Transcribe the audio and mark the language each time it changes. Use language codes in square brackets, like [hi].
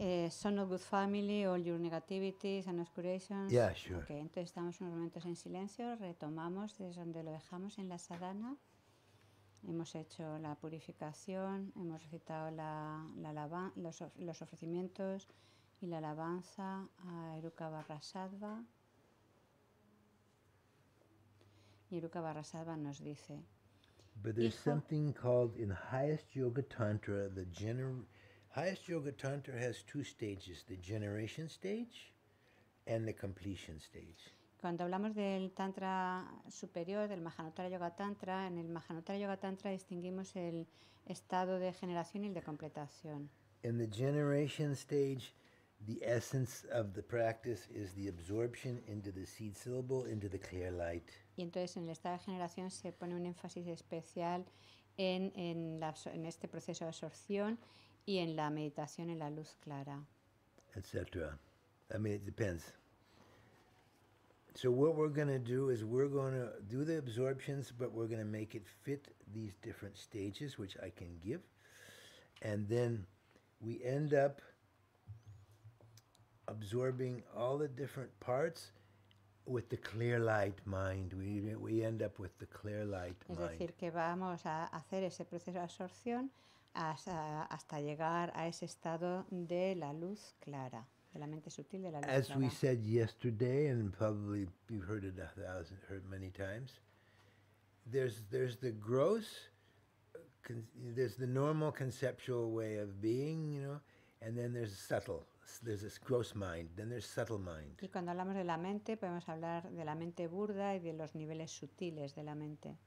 [en] Son of Good Family, all your negativities and obscurations. Yeah, sure. [es] Okay, entonces estamos unos momentos en silencio, retomamos desde donde lo dejamos en la sadhana. Hemos hecho la purificación, hemos recitado los ofrecimientos y la alabanza a Eruka Vajrasattva. Yeruka Vajrasattva nos dice, [en] but there's something called in highest yoga tantra, highest yoga tantra has two stages, the generation stage and the completion stage. [es] Cuando hablamos del tantra superior, del Mahanottara Yoga Tantra, en el Mahanottara Yoga Tantra distinguimos el estado de generación y el de completación. [en] In the generation stage, the essence of the practice is the absorption into the seed syllable, into the clear light. [es] Y entonces en el estado de generación se pone un énfasis especial en este proceso de absorción y en la meditación en la luz clara. [en] Etc. I mean, it depends. So what we're going to do is we're going to do the absorptions, but we're going to make it fit these different stages, which I can give. And then we end up absorbing all the different parts with the clear light mind. We end up with the clear light mind. [es] Es decir, que vamos a hacer ese proceso de absorción hasta llegar a ese estado de la luz clara, de la mente sutil de la luz [en] As [es] clara. [en] As we said yesterday, and probably you've heard it heard many times, there's the gross, there's the normal conceptual way of being, you know, And then there's subtle. There's this gross mind. Then there's subtle mind. [es] Y cuando hablamos de la mente, podemos hablar de la mente burda y de los niveles sutiles de la mente.